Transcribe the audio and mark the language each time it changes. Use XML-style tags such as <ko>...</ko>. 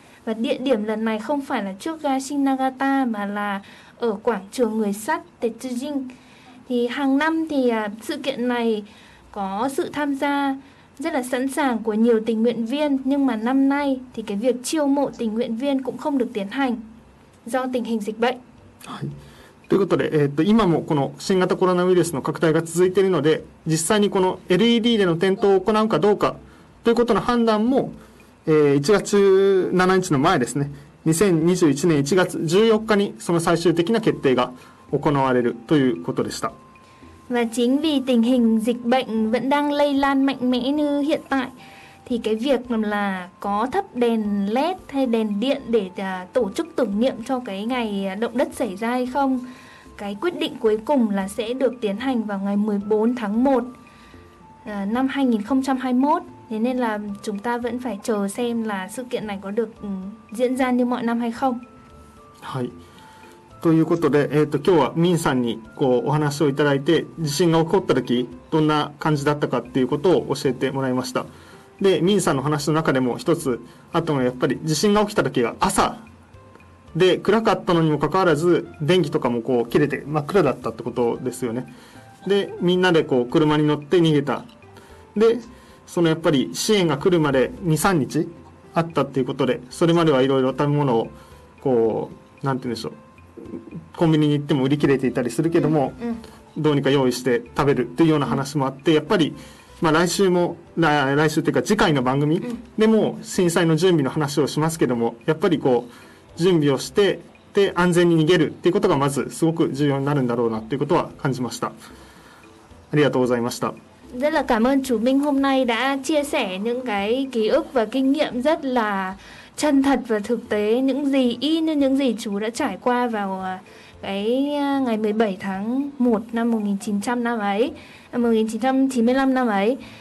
<vi>Và địa điểm lần này không phải là trước ga Shinagata mà là ở quảng trường người sắt Tetsujin. Thì hàng năm thì sự kiện này có sự tham gia rất là sẵn sàng của nhiều tình nguyện viên, nhưng mà năm nay thì cái việc chiêu mộ tình nguyện viên cũng không được tiến hành do tình hình dịch bệnh.</vi> <ja>はい。ということで、今もこの新型コロナウイルスの拡大が続いているので、実際にこの LED での点灯を行うかどうかということの判断も、1月17日の前ですね、2021年1月14日にその最終的な決定が行われるということでした。</ja> <vi>Và chính vì tình hình dịch bệnh vẫn đang lây lan mạnh mẽ như hiện tại thì cái việc là có thắp đèn LED hay đèn điện để tổ chức tưởng niệm cho cái ngày động đất xảy ra hay không, cái quyết định cuối cùng là sẽ được tiến hành vào ngày 14 tháng 1 năm 2021. Thế nên là chúng ta vẫn phải chờ xem là sự kiện này có được diễn ra như mọi năm hay không. Hi.</vi> <ja>ということで、今日はミンさんにこうお話をいただいて、地震が起こった時どんな感じだったかっていうことを教えてもらいました。でミンさんの話の中でも一つあったのはやっぱり地震が起きた時が朝で暗かったのにもかかわらず電気とかもこう切れて真っ暗だったってことですよね。でみんなでこう車に乗って逃げた。でそのやっぱり支援が来るまで 2,3 日あったっていうことで、それまではいろいろ食べ物をこうなんて言うんでしょう、コンビニに行っても売り切れていたりするけども、うんうん、どうにか用意して食べるっていうような話もあって、やっぱり、まあ、来週も来週というか次回の番組でも震災の準備の話をしますけども、やっぱりこう準備をしてで安全に逃げるっていうことがまずすごく重要になるんだろうなっていうことは感じました。ありがとうございました。</ja> <vi>rất là cảm ơn chủ Minh hôm nay đã chia sẻ những cái ký ức và kinh nghiệm rất là chân thật và thực tế, những gì y như những gì chú đã trải qua vào cái ngày 17 tháng 1 năm 1995 năm ấy.</vi>